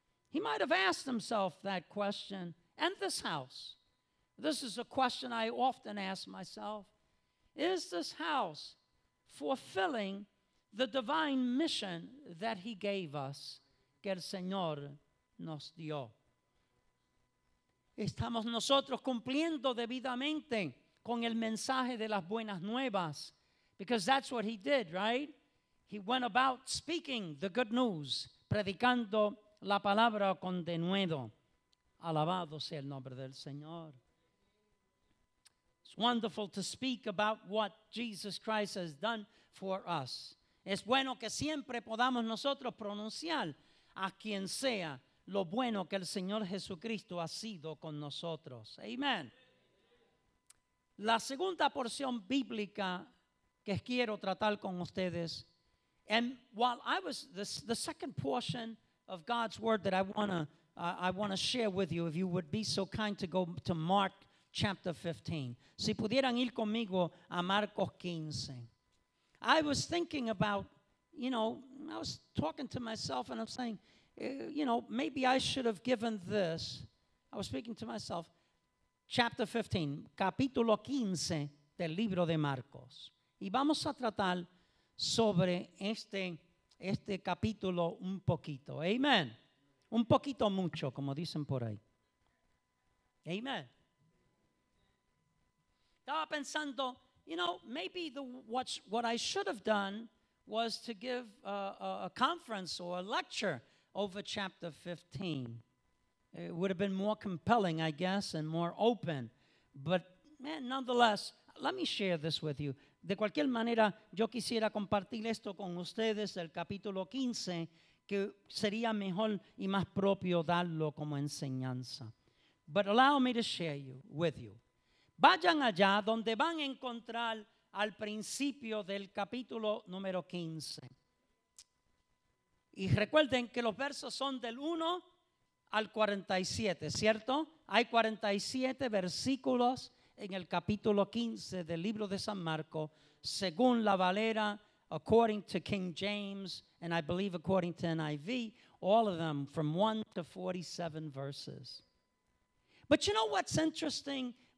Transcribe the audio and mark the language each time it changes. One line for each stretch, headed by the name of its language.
English: He might have asked himself that question. And this house, this is a question I often ask myself: is this house fulfilling the divine mission that he gave us,
Spanish: que el Señor nos dio? ¿Estamos nosotros cumpliendo debidamente con el mensaje de las buenas nuevas?
English: Because that's what he did, right? He went about speaking the good news,
Spanish: predicando la palabra con denuedo. Alabado sea el nombre del Señor.
English: It's wonderful to speak about what Jesus Christ has done for us.
Spanish: Es bueno que siempre podamos nosotros pronunciar a quien sea lo bueno que el Señor Jesucristo ha sido con nosotros.
English: Amen.
Spanish: La segunda porción bíblica que quiero tratar con ustedes,
English: and while I was the second portion of God's word that I want to share with you, if you would be so kind to go to Mark chapter 15.
Spanish: Si pudieran ir conmigo a Marcos 15.
English: I was thinking about, you know, I was talking to myself and I'm saying, you know, maybe I should have given this. I was speaking to myself.
Spanish: Chapter 15, capítulo 15 del libro de Marcos. Y vamos a tratar sobre este capítulo un poquito. Amen. Un poquito mucho, como dicen por ahí. Amen. Estaba pensando,
English: you know, maybe what I should have done was to give a conference or a lecture over chapter 15. It would have been more compelling, I guess, and more open. But, man, nonetheless, let me share this with you.
Spanish: De cualquier manera, yo quisiera compartir esto con ustedes, el capítulo 15, que sería mejor y más propio darlo como enseñanza.
English: But allow me to share you with you.
Spanish: Vayan allá donde van a encontrar al principio del capítulo número 15. Y recuerden que los versos son del 1 al 47, ¿cierto? Hay 47 versículos en el capítulo 15 del libro de San Marcos, según la Valera,
English: according to King James, and I believe according to NIV, all of them from 1 to 47 verses. But you know what's interesting?